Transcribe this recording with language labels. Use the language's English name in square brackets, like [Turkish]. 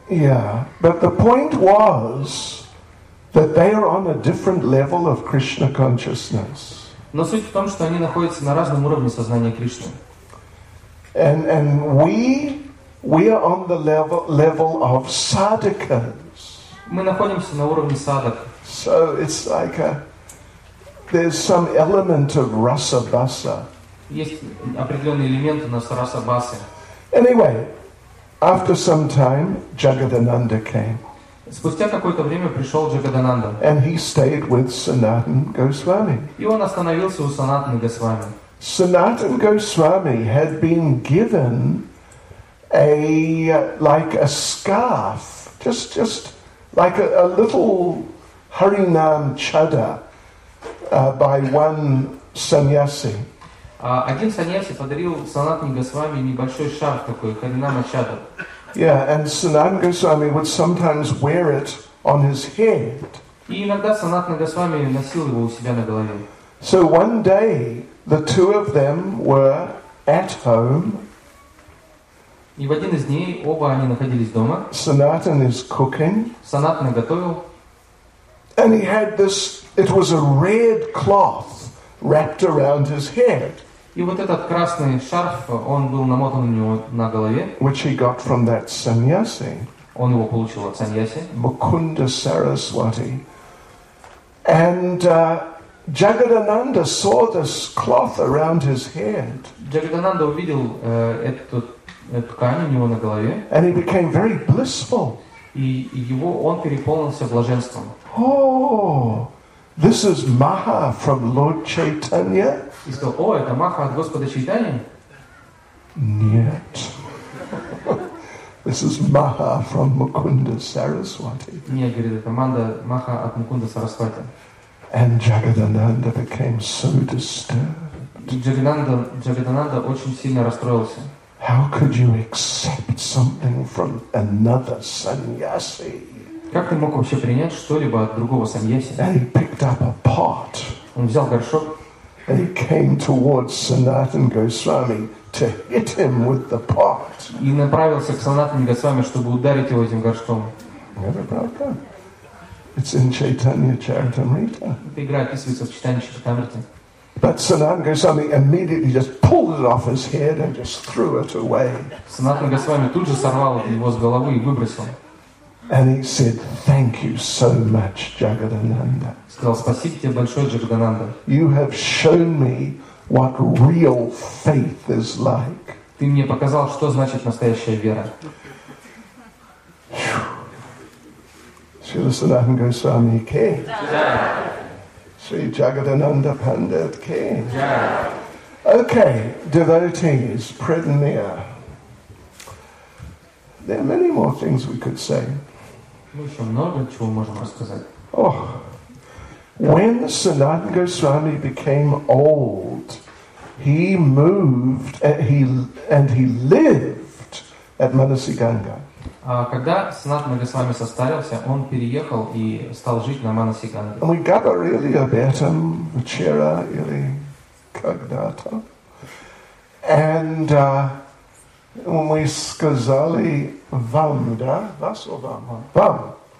[English] Yeah, but the point was that they are on a different level of Krishna consciousness. [Russian] Но суть в том, что они находятся на разном уровне сознания Кришны. [English] And we are on the level of sadhakas. [Russian] Мы находимся на уровне садак. [English] So it's like there's some element of rasa-basa. [Russian] Есть определенный элемент у нас раса-басы. [English] Anyway, after some time, Jagadananda came. [Russian] Спустя какое-то время пришел Джагадананда. [English] And he stayed with Sanatan Goswami. [Russian] И он остановился у Санатаны Госвами. [English] Sanatan Goswami had been given a like a scarf, just like a little Harinam chada by one sannyasi. [Russian] Один сannyasi подарил Санатане Госвами небольшой шарф такой Харинама чада. [English] Yeah, and Sanatan Goswami would sometimes wear it on his head. [Russian] И иногда Санатана Госвами носил его у себя на голове. [English] So one day, the two of them were at home. [Russian] И в один из дней оба они находились дома. [English] Sanatan is cooking. [Russian] Санатана готовил. [English] And he had this, it was a red cloth wrapped around his head. [Russian] И вот этот красный шарф, он был намотан у него на голове. [English] Which he got from that sannyasi. [Russian] Он его получил от sannyasi. [English] Mukunda Saraswati. And Jagadananda saw this cloth around his head. [Russian] Jagadananda увидел эту ткань у него на голове. [English] And he became very blissful. [Russian] И его он переполнился блаженством. [English] Oh, this is Maha from Lord Chaitanya. [Russian] И сказал, о, это Маха от Господа Чайтаньи? Нет. [English] This is Maha from Mukunda Saraswati. [Russian] Нет, говорит, это Маха от Мукунда Сарасвати. [English] And Jagadananda became so disturbed. [Russian] Джагадананда очень сильно расстроился. [English] How could you accept something from another sannyasi? [Russian] Как ты мог вообще принять что-либо от другого sannyasi? [English] And he picked up a pot. [Russian] Он взял горшок. [English] And he came towards Sanatan Goswami to hit him with the pot. [Russian] И направился к Санатане Госвами, чтобы ударить его этим горшком. [English] It's in Chaitanya Charitamrita. [Russian] Это игра описывается в Чайтанья Чаритамрите. [English] But Sanatan Goswami immediately just pulled it off his head and just threw it away. [Russian] Санатана Госвами тут же сорвал его с головы и выбросил. [English] And he said, "Thank you so much, Jagadananda." [Russian] Сказал, спасибо тебе большое, Джагадананда. [English] You have shown me what real faith is like. [Russian] Ты мне показал, что значит настоящая вера. [Hindi] Shri Sanatan Goswami ke. Shri Jagadananda Pandit ke. [English] Okay, devotees, Pradnya. There are many more things we could say. Oh, when Sanatan Goswami became old, he moved and he lived at Manasiganga. [Russian] Когда Санатана Госвами состарился, он переехал и стал жить на Манасиганге. And we got a really abetam vachera или когда-то, and when we сказали вам, да, вас о вам.